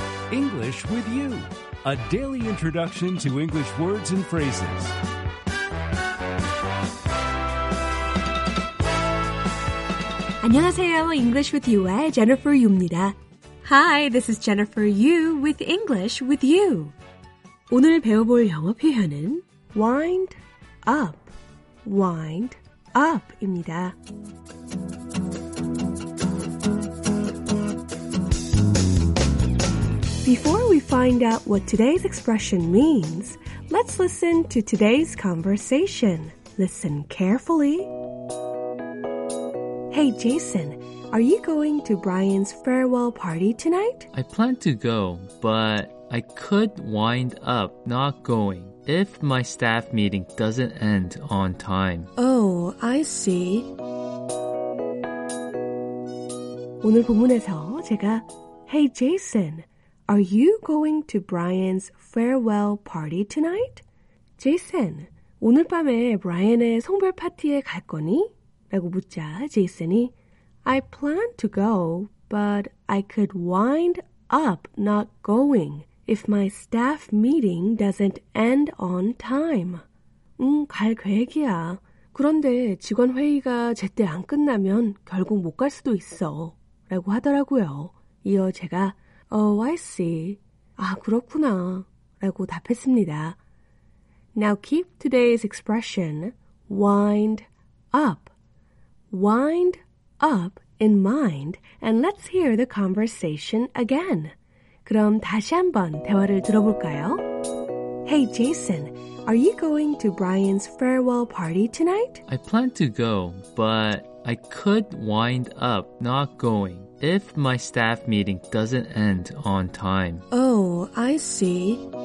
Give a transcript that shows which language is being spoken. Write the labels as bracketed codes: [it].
[en] English with you, a daily introduction to English words and phrases. English with you, Jennifer Yu입니다. Hi, this is Jennifer Yu with English with you. [ko] 오늘 배워볼 영어 표현은 wind up, wind up입니다. [en] Before we find out what today's expression means, let's listen to today's conversation. Listen carefully. Hey, Jason, are you going to Brian's farewell party tonight? I plan to go, but I could wind up not going if my staff meeting doesn't end on time. Oh, I see. [ko] 오늘 본문에서 제가 [en] Hey, Jason, are you going to Brian's farewell party tonight? [ko] Jason, 오늘 밤에 브라이언의 송별 파티에 갈 거니? 라고 묻자 제이슨이 [en] I plan to go, but I could wind up not going if my staff meeting doesn't end on time. [ko] 갈 계획이야. 그런데 직원 회의가 제때 안 끝나면 결국 못 갈 수도 있어. 라고 하더라고요. 이어 제가 [en] Oh, I see. [ko] 아, 그렇구나. 라고 답했습니다. [en] Now keep today's expression, wind up. Wind up in mind, and let's hear the conversation again. [ko] 그럼 다시 한번 대화를 들어볼까요? [en] Hey, Jason, are you going to Brian's farewell party tonight? I plan to go, but I could wind up not going if my staff meeting doesn't end on time. Oh, I see.